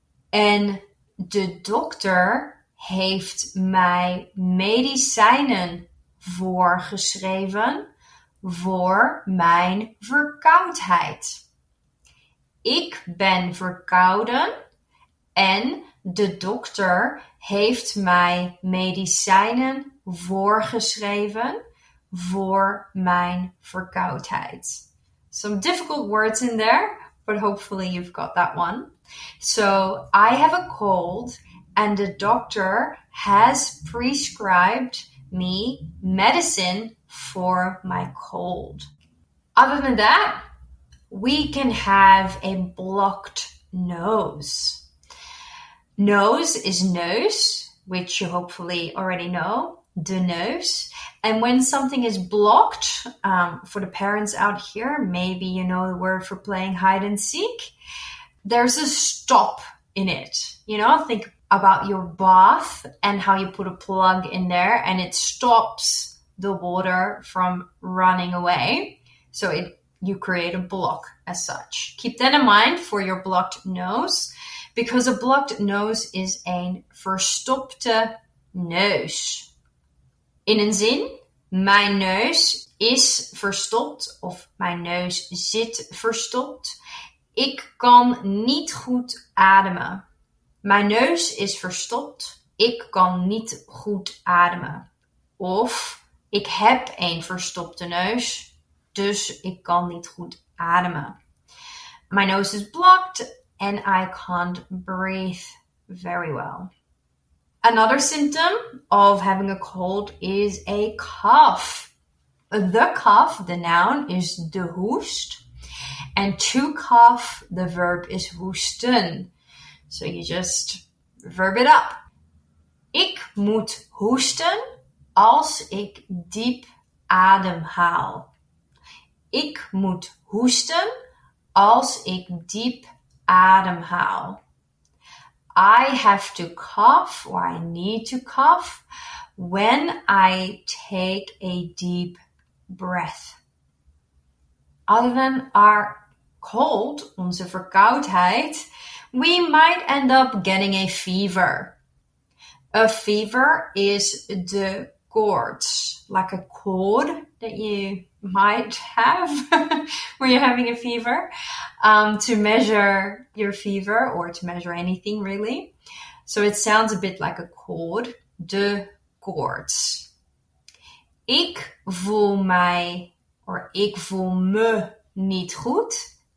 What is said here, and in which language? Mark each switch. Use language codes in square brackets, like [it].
[nl] And de dokter heeft mij medicijnen voorgeschreven voor mijn verkoudheid. Ik ben verkouden en de dokter heeft mij medicijnen voorgeschreven voor mijn verkoudheid. [en] Some difficult words in there, but hopefully you've got that one. So, I have a cold. And the doctor has prescribed me medicine for my cold. Other than that, we can have a blocked nose. Nose is nose, which you hopefully already know, the nose. And when something is blocked, for the parents out here, maybe you know the word for playing hide and seek, there's a stop in it. You know, think about your bath and how you put a plug in there and it stops the water from running away. So you create a block as such. Keep that in mind for your blocked nose, because a blocked nose is a verstopte nose. [nl] Innen zin, mijn neus is verstopt of mijn neus zit verstopt. Ik kan niet goed ademen. Mijn neus is verstopt. Ik kan niet goed ademen. Of ik heb een verstopte neus, dus ik kan niet goed ademen. [en] My nose is blocked and I can't breathe very well. Another symptom of having a cold is a cough. The cough, the noun, is de hoest. And to cough, the verb is hoesten. So you just verb it up. [nl] Ik moet hoesten als ik diep ademhaal. Ik moet hoesten als ik diep ademhaal. [en] I have to cough, or I need to cough, when I take a deep breath. Other than our cold, [nl] onze verkoudheid, [en] we might end up getting a fever. A fever is de koorts, like a cord that you might have when you're having a fever, to measure your fever or to measure anything really. So it sounds a bit like a cord, de koorts. [nl] Ik voel mij, or ik voel me niet goed.